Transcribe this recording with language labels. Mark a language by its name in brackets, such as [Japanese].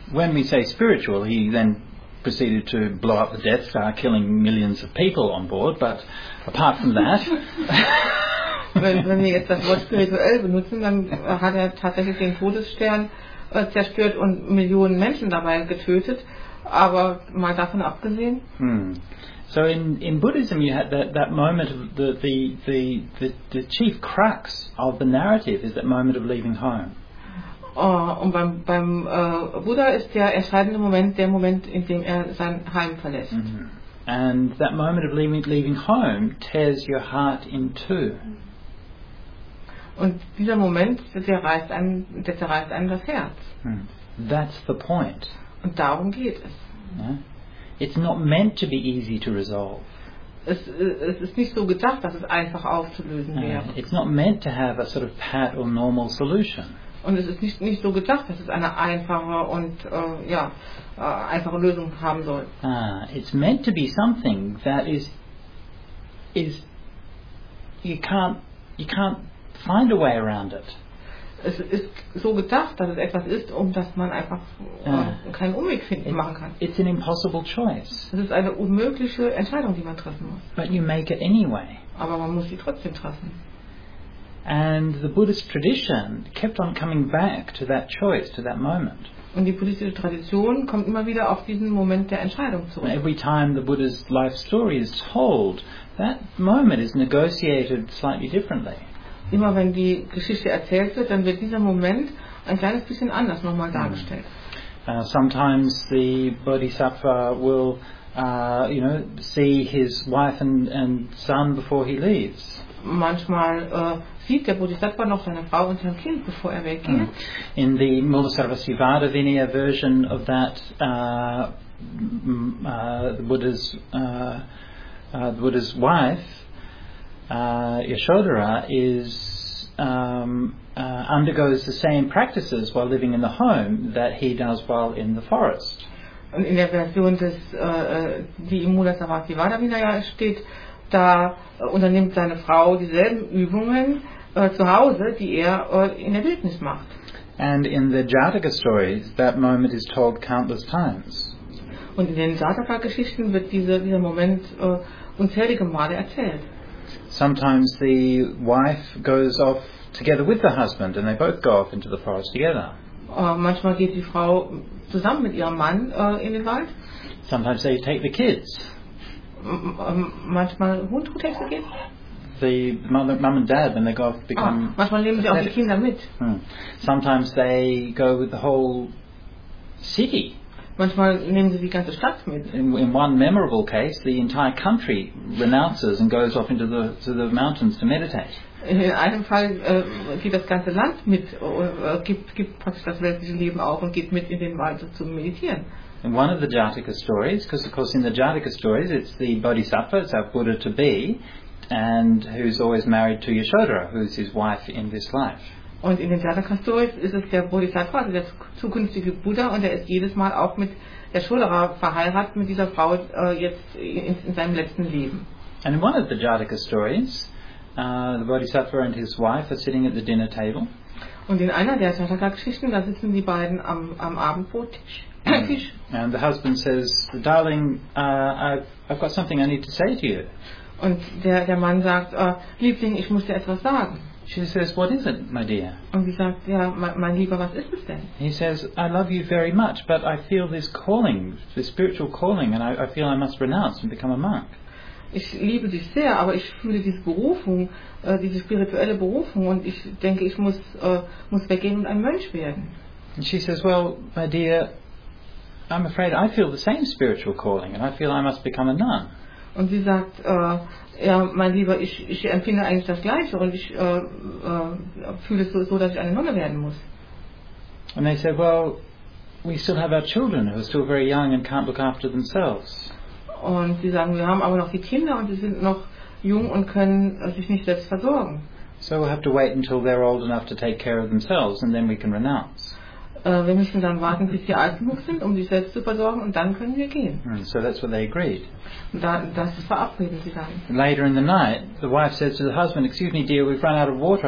[English] When we say spiritual, he then proceeded to blow up the Death Star, killing millions of people on board, but apart from that... [German] wenn wir jetzt das Wort spirituell benutzen, dann hat er tatsächlich den Todesstern zerstört und Millionen Menschen dabei getötet. Aber mal davon abgesehen. [English] So in Buddhism you had that moment of the chief crux of the narrative is that moment of leaving home. [German] Und beim Buddha ist der entscheidende Moment der Moment, in dem er sein Heim verlässt. Mm-hmm. [English] And that moment of leaving home tears your heart in two. [German] Und dieser Moment, der zerreißt einem das Herz. [English] Mm. That's the point. [German] Und darum geht es. Yeah? [English] It's not meant to be easy to resolve. [German] Es ist nicht so gedacht, dass es einfach aufzulösen wäre. [English] It's not meant to have a sort of pat or normal solution. [German] Und es ist nicht so gedacht, dass es eine einfache und einfache Lösung haben soll. [English] It's meant to be something that is you can't find a way around it. [German] Es ist so gedacht, dass es etwas ist, um das man einfach keinen Umweg machen kann. [English] It's an impossible choice. [German] Es ist eine unmögliche Entscheidung, die man treffen muss. [English] But you make it anyway. [German] Aber man muss sie trotzdem treffen. [English] And the Buddhist tradition kept on coming back to that choice, to that moment. [German] Und die buddhistische Tradition kommt immer wieder auf diesen Moment der Entscheidung zurück. [English] Every time the Buddha's life story is told, that moment is negotiated slightly differently. [German] Immer wenn die Geschichte erzählt wird, dann wird dieser Moment ein kleines bisschen anders nochmal dargestellt. [English] Sometimes the Bodhisattva will, see his wife and son before he leaves. [German] Manchmal sieht der Bodhisattva noch seine Frau und sein Kind, bevor er weggeht. Mm. [English] In the Mulasarvasivada Vinaya version of that, the Buddha's wife, Yashodhara, undergoes the same practices while living in the home that he does while in the forest. [German] Und in der Version des die Mulasarvasivada Vinaya steht, da unternimmt seine Frau dieselben Übungen zu Hause, die er in der Wildnis macht. [English] And in the Jataka stories, that moment is told countless times. [German] Und in den Jataka-Geschichten wird dieser Moment unzählige Male erzählt. [English] Sometimes the wife goes off together with the husband, and they both go off into the forest together. [German] Manchmal geht die Frau zusammen mit ihrem Mann in den Wald. [English] Sometimes they take the kids. [German] Manchmal Hund gut Hexe geht. [English] The mom and dad, when they go off, become. [German] Manchmal nehmen sie auch die Kinder mit. [English] Hmm. Sometimes they go with the whole city. [German] Manchmal nehmen sie die ganze Stadt mit. [English] In one memorable case, the entire country renounces and goes off into the mountains to meditate. [German] In einem Fall geht das ganze Land mit, gibt praktisch das weltliche Leben auf und geht mit in den Wald zum Meditieren. [English] In one of the Jataka stories, because of course in the Jataka stories it's the Bodhisattva, it's our Buddha to be, and who's always married to Yashodhara, who's his wife in this life. [German] Und in den Jataka stories ist es der Bodhisattva, also der zukünftige Buddha, und er ist jedes Mal auch mit Yashodhara verheiratet, mit dieser Frau jetzt in seinem letzten Leben. [English] And in one of the Jataka stories, the Bodhisattva and his wife are sitting at the dinner table. [German] Und in einer der Jataka Geschichten, da sitzen die beiden am Abendbrottisch. [English] And the husband says, "Darling, I've got something I need to say to you." [German] Und der Mann sagt, Liebling, ich muss dir etwas sagen. [English] She says, "What is it, my dear?" [German] Und sie sagt, ja, mein Lieber, was ist es denn? [English] He says, "I love you very much, but I feel this calling, this spiritual calling, and I feel I must renounce and become a monk." [German] Ich liebe dich sehr, aber ich fühle diese Berufung, diese spirituelle Berufung, und ich denke, ich muss weggehen und ein Mönch werden. [English] And she says, "Well, my dear, I'm afraid I feel the same spiritual calling, and I feel I must become a nun." [German] Und sie sagt, ja, mein Lieber, ich empfinde eigentlich das Gleiche, und ich fühle es so, dass ich eine Nonne werden muss. [English] And they said, "Well, we still have our children who are still very young and can't look after themselves." [German] Und sie sagen, wir haben aber noch die Kinder, und sie sind noch jung und können sich nicht selbst versorgen. [English] So we'll have to wait until they're old enough to take care of themselves, and then we can renounce. [German] Wir müssen dann warten, bis sie alt genug sind, um sich selbst zu versorgen, und dann können wir gehen. [English] So that's what they agreed. [German] Das verabreden sie dann. [English] Later in the night, the wife says to the husband, "Excuse me, dear, we've run out of water.